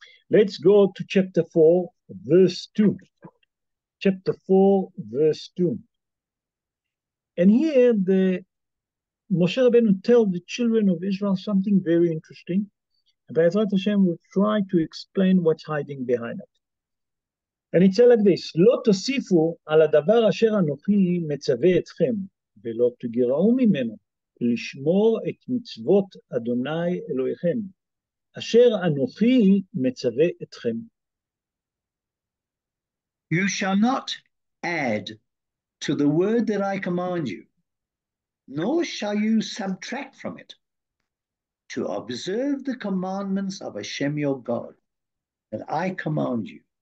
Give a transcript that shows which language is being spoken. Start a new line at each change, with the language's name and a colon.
English: Let's go to chapter 4, verse 2. Chapter 4, verse 2. And here the Moshe Rabbeinu tells the children of Israel something very interesting. And Be'ezrat Hashem will try to explain what's hiding behind it. And it says like this,
Hebrew: לא תוסיפו על הדבר אשר אנוכי מצווה אתכם, ולא תגרעו ממנו, לשמור את מצוות אדוני אלוהיכם, אשר אנוכי מצווה אתכם.
English: You shall not add to the word that I command you, nor shall you subtract from it, to observe the commandments of Hashem your God, that I command you.